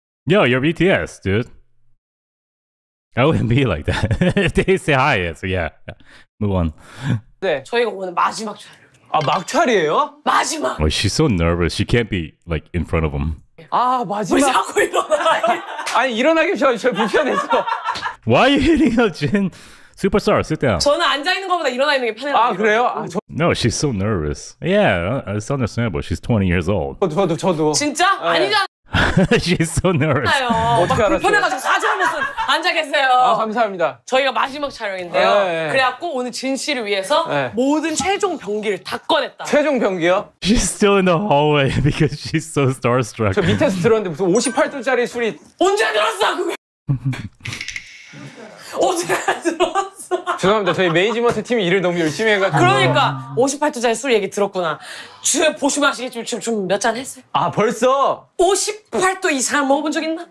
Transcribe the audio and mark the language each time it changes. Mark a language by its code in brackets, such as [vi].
[en] Yo, you're BTS, dude. I wouldn't be like that. If they say hi, so yeah. Move on. [ko] 네. 저희가 오늘 마지막 촬영. 아 막차리예요? 마지막. [en] Oh, she's so nervous. She can't be like in front of him. [ko] 아 마지막. 왜 자꾸 일어나? 아니 일어나기 싫어. 저 불편해서. [en] Why are you hitting her, Jin? Superstar, sit down. [ko] 저는 앉아 있는 것보다 일어나 있는 게 편해요. 아 그래요? [en] No, she's so nervous. Yeah, it's understandable. She's 20 years old. [ko] 저도. 진짜? 네. 아니잖아. [en] She's so nervous. [ko] 어떻게 알았어? 불편해가지고 사장님은 앉아 계세요. 아 감사합니다. 저희가 마지막 촬영인데요. 그래갖고 오늘 진 씨를 위해서 모든 최종 병기를 다 꺼냈다. 최종 병기요? [en] She's still in the hallway because she's so starstruck. [ko] 저 밑에서 들었는데 무슨 58도짜리 술이 언제 들었어 그거? 언제 들었어? 죄송합니다. 저희 매니지먼트 팀이 일을 너무 열심히 해가지고. 그러니까 58도짜리 술 얘기 들었구나. 주에 보시면 아시겠지만 지금 몇 잔 했어요? 아 벌써? 58도 이상 먹어본 적 있나?